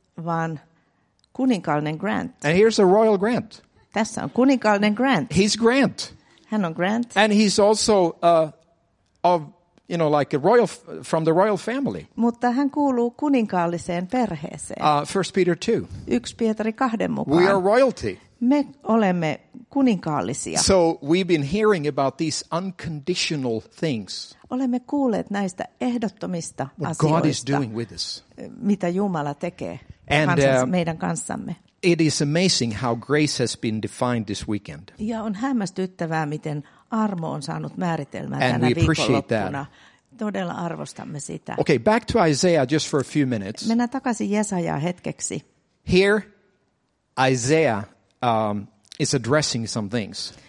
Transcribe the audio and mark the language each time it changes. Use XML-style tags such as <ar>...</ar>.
<fi>Vaan kuninkaallinen grant.</fi> <en>And here's a royal grant.</en> <fi>Tässä on kuninkaallinen grant.</fi> <en>He's grant.</en> <fi>Hän on grant.</fi> <en>And he's also of, you know, like a royal from the royal family.</en> <fi>Mutta hän kuuluu kuninkaalliseen perheeseen.</fi> <en>1 Peter 2.</en> <fi>1 Pietari 2 mukaan.</fi> <en>We are royalty.</en> <fi>Me olemme kuninkaallisia.</fi> <en>So we've been hearing about these unconditional things.</en> <fi>Olemme kuulleet näistä ehdottomista</fi> <en>what</en> <fi>asioista.</fi> <en>God is doing with us.</en> <fi>Mitä Jumala tekee meidän kanssamme.</fi> <en>It is amazing how grace has been defined this weekend.</en> <fi>Ja on hämmästyttävää, miten armo on saanut määritelmän</fi> <en>and</en> <fi>tänä viikonloppuna. Todella arvostamme sitä.</fi> <en>Okay, back to Isaiah just for a few minutes.</en> <fi>Mennään takaisin Jesajaan hetkeksi.</fi> <en>Here, Isaiah is addressing some things.</en>